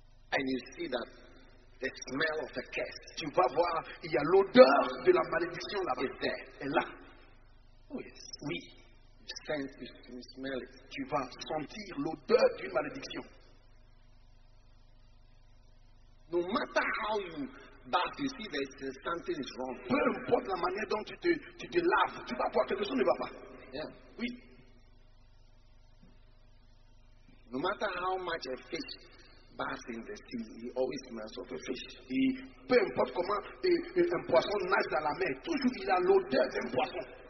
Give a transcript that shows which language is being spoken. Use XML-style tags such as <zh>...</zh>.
<en>And you see that the smell of the curse.</en> <fr>Tu vas voir, il y a l'odeur de la malédiction là-bas.</fr> <en>Is there?</en> <fr>Et là. Oui. Oui.</fr> <en>You sense, you smell it.</en> <fr>Tu vas sentir l'odeur d'une malédiction.</fr> <en>No matter how you bath, you see that something is wrong.</en> <fr>Peu importe la manière dont tu te laves, tu vas voir quelque chose ne va pas.</fr> <en>Yeah.</en> <fr>Oui.</fr> <en>No matter how much a fish bath in the sea, he always smells of a fish.</en> <fr>Et peu importe comment un poisson nage dans la mer, toujours il a l'odeur d'un poisson.</fr>